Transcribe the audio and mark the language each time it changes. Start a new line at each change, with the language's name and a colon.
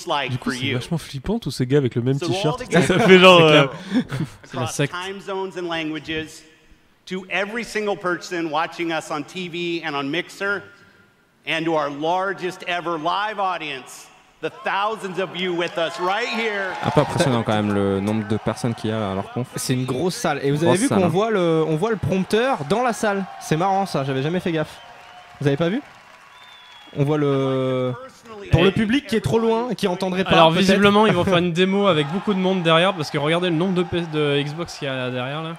French: Du coup, c'est vachement flippant tous ces gars avec le même t-shirt. Ça fait genre c'est la secte.
English: Time zones and languages. To every single person watching us on TV and on Mixer, and to our largest ever live audience, the thousands of you with us right here.
French: Un peu impressionnant quand même le nombre de personnes qu'il y a à leur conf. C'est une grosse salle. Et vous avez vu qu'on voit le prompteur dans la salle. C'est marrant ça, j'avais jamais fait gaffe. Vous avez pas vu? On voit le... Pour le public qui est trop loin et qui entendrait pas. Alors visiblement ils vont faire une démo avec beaucoup de monde derrière. Parce que regardez le nombre de PS de Xbox qu'il y a derrière là.